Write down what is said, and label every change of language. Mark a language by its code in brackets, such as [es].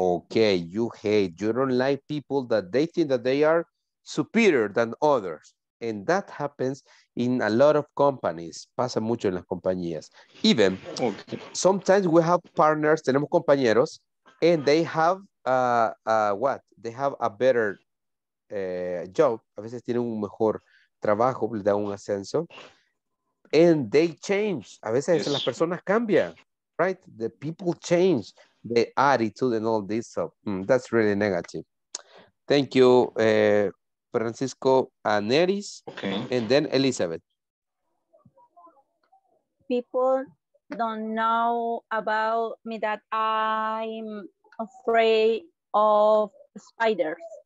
[en] Okay, you hate, you don't like people that they think that they are superior than others. And that happens in a lot of companies. [es] Pasa mucho en las compañías. [en] Even, okay, sometimes we have partners, [es] tenemos compañeros, [en] and they have what? They have a better job. [es] A veces tienen un mejor trabajo, le da un ascenso. [en] And they change. [es] A veces, yes, las personas cambian, right? [en] The people change the attitude and all this. So that's really negative. Thank you. Francisco Aneris, okay, and then Elizabeth. People don't know about me that I'm afraid of spiders.